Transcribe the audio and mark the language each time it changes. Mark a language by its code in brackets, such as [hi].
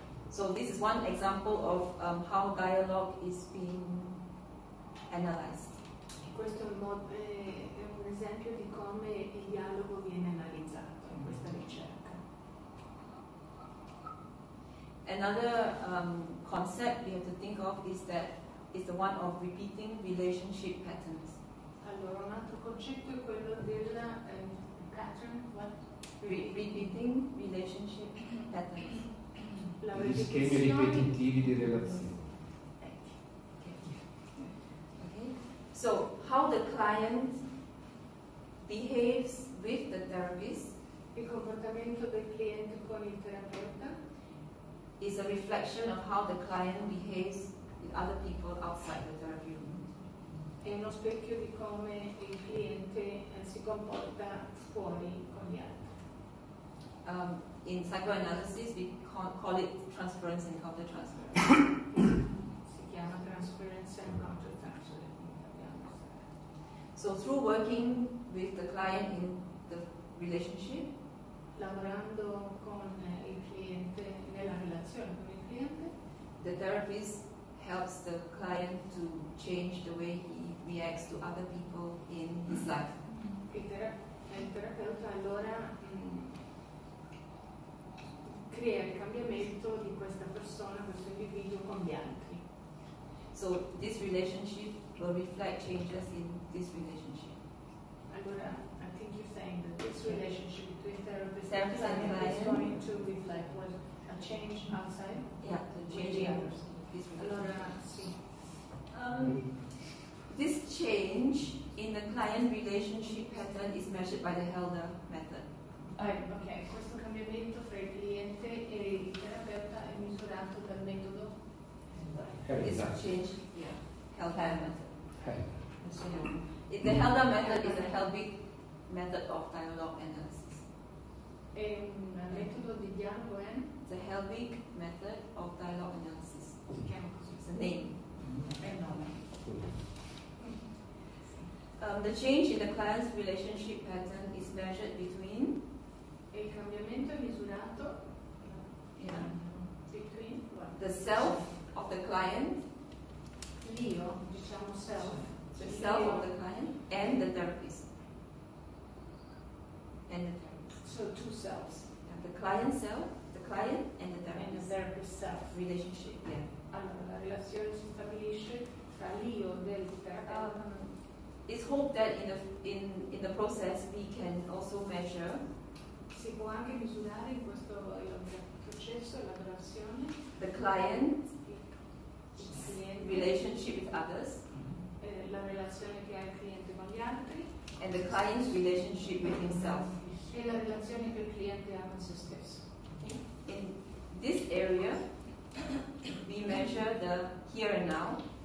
[en] So this is one example of how dialogue is being analyzed. [it] Questo è un esempio di come il dialogo viene analizzato in questa ricerca. [en] Another concept we have to think of is that it's the one of repeating relationship patterns. [it] Allora, un altro concetto è quello della pattern, [en] repeating relationship patterns. [it] Gli schemi ripetitivi di relazione. [en] Okay. So, how the client behaves with the therapist, [it] il comportamento del cliente con il terapeuta, [en] is a reflection of how the client behaves with other people outside the therapy room. [it] È uno specchio di come il cliente si comporta fuori con gli altri. [en] In psychoanalysis, we call it transference and countertransference. [it] Si chiama [en] transference and countertransference. So through working with the client in the relationship, [it] lavorando con il cliente nella relazione con il cliente, [en] the therapist helps the client to change the way he reacts to other people in his life. [it] Il terapeuta allora crea il cambiamento di questa persona, questo individuo con gli altri. [en] So this relationship will reflect changes in this relationship. Allora, I think you're saying that this relationship between therapist and client is going to reflect what a change outside. Yeah, the change. [it] Allora, sì. [en] This change in the client relationship pattern is measured by the HELDA method. [it] Okay, questo cambiamento fra il cliente e il terapeuta è misurato dal metodo? [en] It's change, yeah. HELDA method. The HELDA method is a Helbig method of dialogue analysis. [it] È un metodo di dialogo, eh? [en] The Helbig method of dialogue analysis. [it] Si chiama così. [en] It's a name. [it] È il nome. [en] The change in the client's relationship pattern is measured between [it] il cambiamento è misurato [en] between what? The self of the client, [it] l'io, diciamo self, [en] the self of the client and the therapist. And the therapist. So two selves. And the client self, the client and the therapist. And the therapist self. Relationship, yeah. [it] Allora, la relazione si stabilisce tra l'io del terapeuta. [en] It's hoped that in the process we can also measure. [it] Si può anche misurare in questo processo l'elaborazione [en] the client [it] il [en] relationship with others [it] la relazione che ha il cliente con gli altri [en] and the client's relationship with himself [it] e la relazione che il cliente ha con se stesso. [en] In this area we measure the here and now